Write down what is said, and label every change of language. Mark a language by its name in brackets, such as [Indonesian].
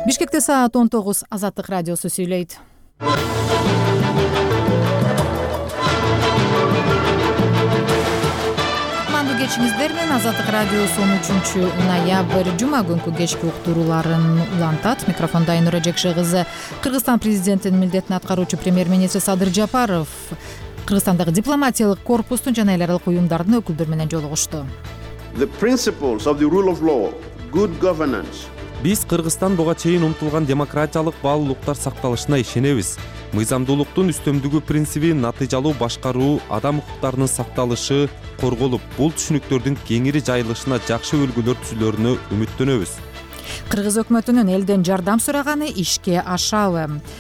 [Kyrgyz] Бишкекте саат 19, Азаттык радиосу сүйлөйт. Кутмандуу кечиңиздер менен, Азаттык радиосу 13 ноябрь жума күнкү кечки уктурууларын улантат. Микрофондо Айнура Жекши кызы. Кыргызстан президентинин милдетин аткаруучу премьер-министр Садыр Жапаров Кыргызстандагы дипломатиялык корпустун жана эл аралык уюмдардын өкүлдөрү менен жолугушту. [English] The principles of the rule of law, good governance. [Kyrgyz] Биз Кыргызстан буга чейин умтулган демократиялык баалуулуктар сакталышына ишенебиз. Мыйзамдуулуктун үстөмдүгү принциби, натыйжалуу башкаруу, адам укуктарынын сакталышы корголуп, бул түшүнүктөрдүн кеңири жайылышына жакшы өлгүлөр түзүлөрүнө үмүттөнөбүз. Кыргыз өкмөтүнүн элден жардам сураганы ишке ашабы?